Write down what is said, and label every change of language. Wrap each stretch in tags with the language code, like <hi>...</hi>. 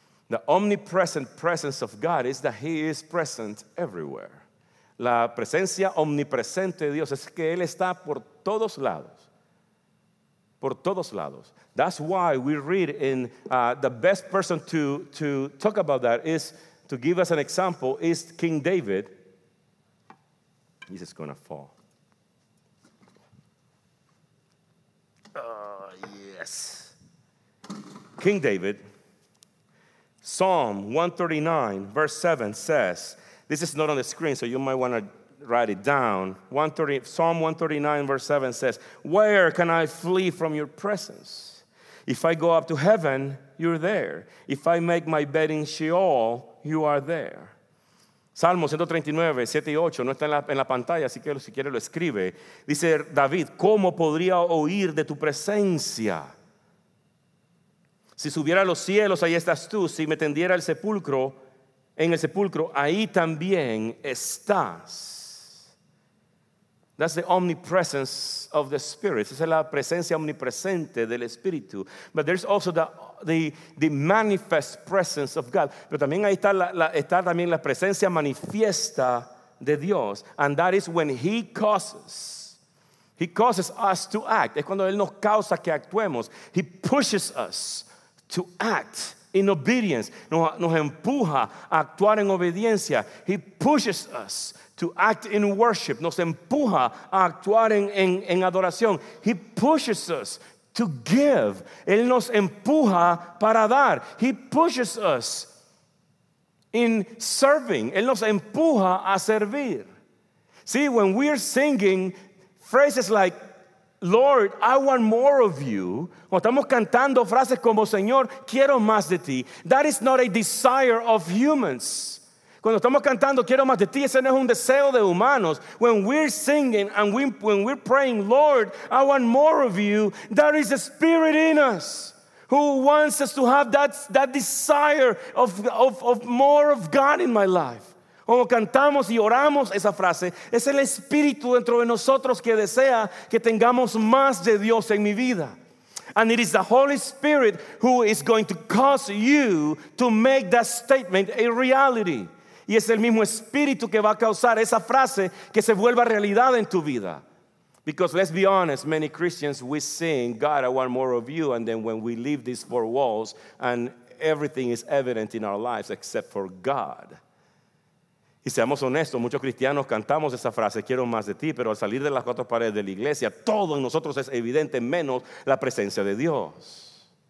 <en>The omnipresent presence of God is that He is present everywhere.</en> <es>La presencia omnipresente de Dios es que Él está por todos lados. Por todos lados.</es> <en>That's why we read in the best person to talk about that is, to give us an example, is King David. This is going to fall. Yes. King David, Psalm 139, verse 7 says, this is not on the screen, so you might want to write it down. Psalm 139, verse 7 says, where can I flee from your presence? If I go up to heaven, you're there. If I make my bed in Sheol, you are there.</en> <es>Salmo 139, 7 y 8, no está en la pantalla, así que si quiere lo escribe. Dice David, ¿cómo podría huir de tu presencia? Si subiera a los cielos, ahí estás tú. Si me tendiera el sepulcro, en el sepulcro, ahí también estás.</es> <en>That's the omnipresence of the Spirit.</en> <es>Esa es la presencia omnipresente del Espíritu.</es> <en>But there's also the manifest presence of God.</en> <es>Pero también ahí está la presencia manifiesta de Dios.</es> <en>And that is when he causes us to act.</en> <es>Es cuando Él nos causa que actuemos.</es> <en>He pushes us to act in obedience.</en> <es>Nos empuja a actuar en obediencia.</es> <en>He pushes us to act in worship.</en> <es>Nos empuja a actuar en adoración.</es> <en>He pushes us to give.</en> <es>Él nos empuja para dar.</es> <en>He pushes us in serving.</en> <es>Él nos empuja a servir.</es> <en>See, when we're singing phrases like, Lord, I want more of you.</en> <es>Cuando estamos cantando frases como, Señor, quiero más de ti.</es> <en>That is not a desire of humans.</en> <es>Cuando estamos cantando, quiero más de ti, ese no es un deseo de humanos.</es> <en>When we're singing and when we're praying, Lord, I want more of you, there is a spirit in us who wants us to have that desire of more of God in my life.</en> <es>Cuando cantamos y oramos esa frase, es el espíritu dentro de nosotros que desea que tengamos más de Dios en mi vida.</es> <en>And it is the Holy Spirit who is going to cause you to make that statement a reality.</en> <es>Y es el mismo espíritu que va a causar esa frase que se vuelva realidad en tu vida.</es> <en>Because let's be honest, many Christians, we sing, God, I want more of you. And then when we leave these four walls and everything is evident in our lives except for God.</en> <es>Y seamos honestos, muchos cristianos cantamos esa frase, quiero más de ti, pero al salir de las cuatro paredes de la iglesia, todo en nosotros es evidente menos la presencia de Dios.</es>